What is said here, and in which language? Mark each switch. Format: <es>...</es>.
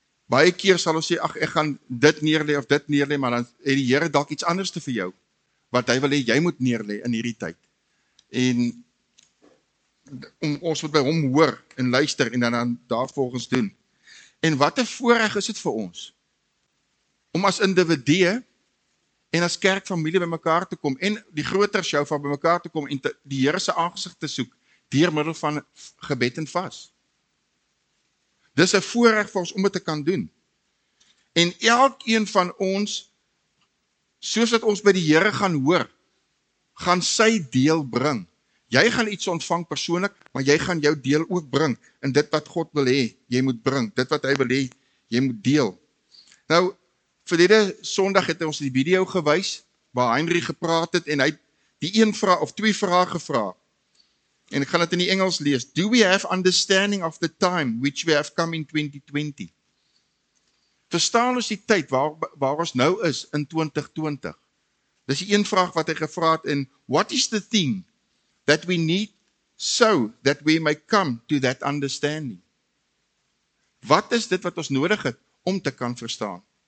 <af>Baie keer sal ons sê, ach, ek gaan dit neerlê of dit neerlê, maar dan het die Here dalk iets anders te vir jou, wat hy wil hê, jy moet neerlê in hierdie tyd. En ons moet by hom hoor en luister en dan daarvolgens doen. En wat 'n voorreg is dit vir ons, om as individue, en as kerkfamilie by mekaar te kom, en die groter shofar by mekaar te kom, en die Here se aangesig te soek, deur middel van gebed en vas. Dis 'n voorreg vir ons om dit te kan doen. En elkeen van ons, soos dat ons by die Here gaan hoor, gaan sy deel bring. Jy gaan iets ontvang persoonlik, maar jy gaan jou deel ook bring, in dit wat God wil hê, jy moet bring, dit wat hy wil hê, jy moet deel. Nou, vir die Sondag het ons die video gewys, waar Henry gepraat het en hy het die een vraag of twee vrae gevra. En ek gaan dit in die Engels lees.</af> <en>Do we have understanding of the time which we have come in 2020?</en> <af>Verstaan ons die tyd waar ons nou is in 2020? Dis die een vraag wat hy gevra het en</af> <en>what is the thing that we need so that we may come to that understanding?</en> <af>Wat is dit wat ons nodig het om te kan verstaan?</af>